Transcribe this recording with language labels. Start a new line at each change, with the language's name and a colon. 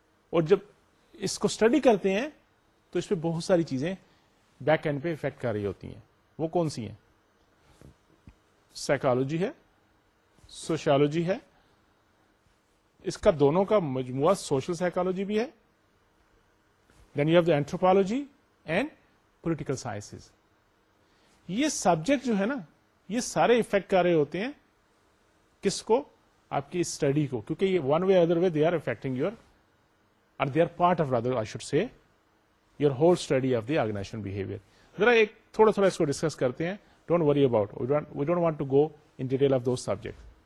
Urdu: اور جب اس کو اسٹڈی کرتے ہیں تو اس پہ بہت ساری چیزیں بیک اینڈ پہ افیکٹ کر رہی ہوتی ہیں. وہ کون سی ہیں؟ سائیکالوجی ہے, سوشیالوجی ہے, اس کا دونوں کا مجموعہ سوشل سائیکالوجی بھی ہے.
English: Then you have the anthropology and political sciences.
Urdu: یہ سبجیکٹ جو ہے نا یہ سارے افیکٹ کر رہے ہوتے ہیں کس کو, آپ کی اسٹڈی کو, کیونکہ یہ
English: one way other way they are affecting your or they are part of rather I should say your whole study
Urdu: of the organization behaviour. ذرا ایک تھوڑا تھوڑا اس کو ڈسکس کرتے ہیں.
English: Don't worry about, we don't want to go in detail of those subject.